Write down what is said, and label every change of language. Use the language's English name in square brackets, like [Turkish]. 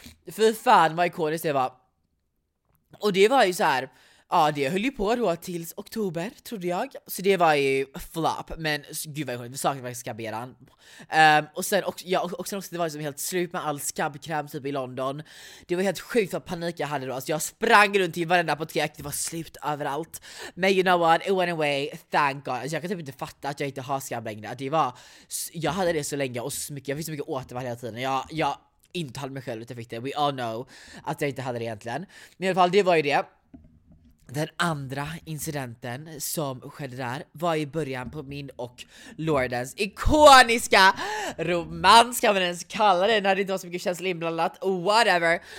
[Swedish] Fy fan vad ikoniskt det var. Och det var ju så här, ja, det höll ju på då tills oktober, trodde jag. Så det var ju flop. Men gud vad jag saknade faktiskt skabberan. Och sen också, ja, och sen också, det var ju som helt slut med all skabbkräm typ i London. Det var helt sjukt vad panik jag hade då. Alltså jag sprang runt i varenda apotek. Det var slut överallt. [English] Men you know what, it went away, thank god. [Swedish] Alltså jag kan typ inte fatta att jag inte har skabb längre. Det var, jag hade det så länge och så mycket. Jag fick så mycket återvärd hela tiden. Jag inte hade mig själv att jag fick det. [English] We all know [Swedish] att jag inte hade det egentligen. Men i alla fall, det var ju det. Den andra incidenten som skedde där var i början på min och Lordens ikoniska romans, kan man ens kalla det, när det inte var så mycket känslor inblandat, whatever.